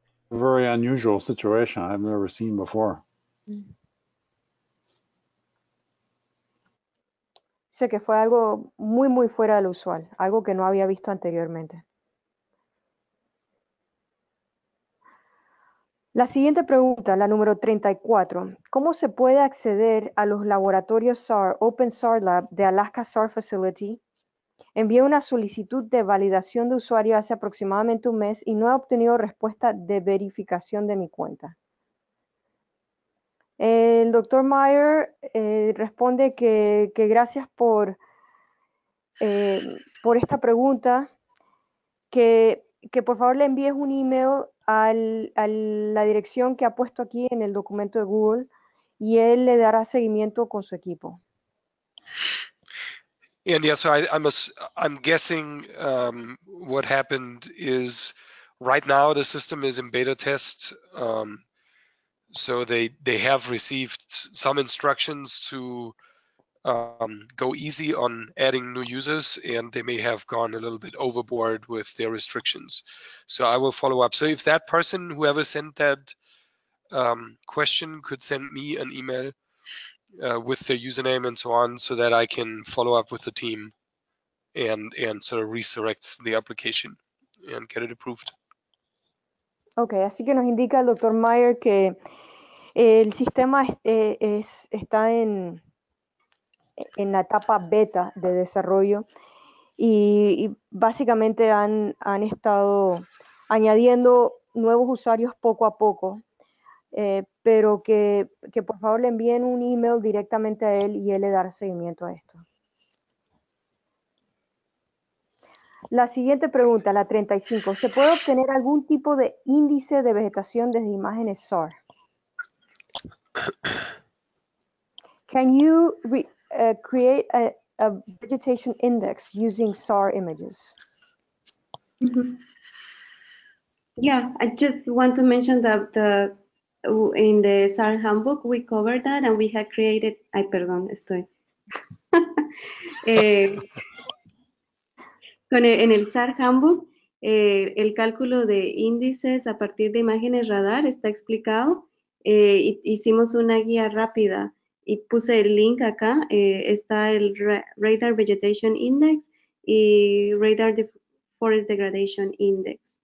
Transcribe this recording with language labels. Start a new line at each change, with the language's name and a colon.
English: Very unusual situation I've never seen before.
Spanish: Sé que fue algo muy, muy fuera de lo usual, algo que no había visto anteriormente. La siguiente pregunta, la número 34. ¿Cómo se puede acceder a los laboratorios SAR, Open SAR Lab de Alaska SAR Facility? Envié una solicitud de validación de usuario hace aproximadamente un mes y no he obtenido respuesta de verificación de mi cuenta. El doctor Meyer responde que gracias por esta pregunta, que por favor le envíes un email a la dirección que ha puesto aquí en el documento de Google y él le dará seguimiento con su equipo.
English: And yes, I'm guessing what happened is right now the system is in beta test. So they have received some instructions to go easy on adding new users, and they may have gone a little bit overboard with their restrictions. So I will follow up. So if that person, whoever sent that question, could send me an email with their username and so on, so that I can follow up with the team and sort of resurrect the application and get it approved.
Spanish: Okay, así que nos indica el doctor Meyer que el sistema está en la etapa beta de desarrollo y básicamente han estado añadiendo nuevos usuarios poco a poco. Pero que por favor le envíen un email directamente a él y él le dará seguimiento a esto. La siguiente pregunta, la 35. ¿Se puede obtener algún tipo de índice de vegetación desde imágenes SAR?
English: Can you create a vegetation index using SAR images. Mm-hmm. Yeah, I just want to mention that the in the SAR handbook we covered that, and we had created.
Spanish: Ay, perdón, estoy. en el SAR handbook, el cálculo de índices a partir de imágenes radar está explicado. Hicimos una guía rápida y puse el link acá. Está el Radar Vegetation Index y Radar Forest Degradation Index.